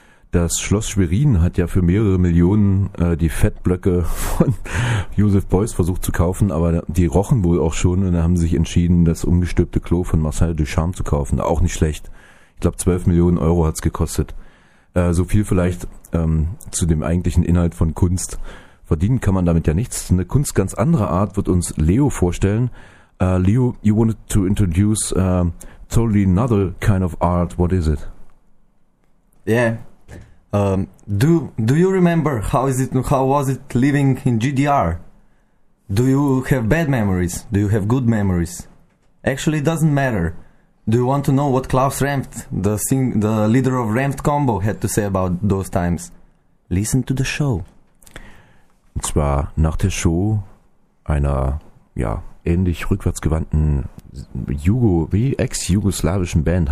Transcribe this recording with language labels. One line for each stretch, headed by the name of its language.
German: Das Schloss Schwerin hat ja für mehrere Millionen die Fettblöcke von Joseph Beuys versucht zu kaufen, aber die rochen wohl auch schon und da haben sie sich entschieden, das umgestülpte Klo von Marcel Duchamp zu kaufen. Auch nicht schlecht. Ich glaube, 12 Millionen Euro hat es gekostet. So viel vielleicht zu dem eigentlichen Inhalt von Kunst. Verdienen kann man damit ja nichts. Eine Kunst ganz anderer Art wird uns Leo vorstellen.
English: Leo, you wanted to introduce totally another kind of art. What is it? Yeah. Do you remember how was it living in GDR? Do you have bad memories? Do you have good memories? Actually, it doesn't matter. Do you want to know what Klaus Rampt, the leader of Rampt Combo, had to say about those times? Listen to the show.
German: Und zwar nach der Show einer, ja, ähnlich rückwärtsgewandten ex-jugoslawischen Band.